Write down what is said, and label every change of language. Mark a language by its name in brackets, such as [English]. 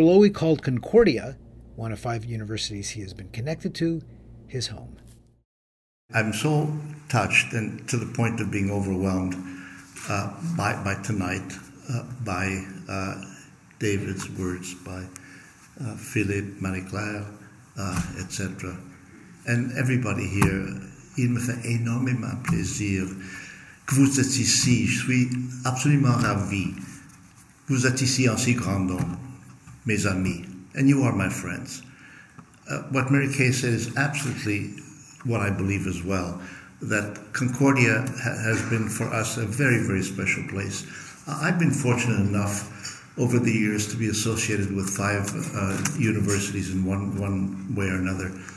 [English] Lowy called Concordia, one of 5 universities he has been connected to, his home. I'm so touched and to the point of being overwhelmed by tonight, by David's words, by Philippe, Marie-Claire, etc. And everybody here, [French] il me fait énormément plaisir que vous êtes ici. Je suis absolument ravi. Vous êtes ici en si grand nombre, mes amis, [English] and you are my friends. What Mary Kay said is absolutely what I believe as well, that Concordia has been for us a very, very special place. I've been fortunate enough over the years to be associated with 5 universities in one way or another.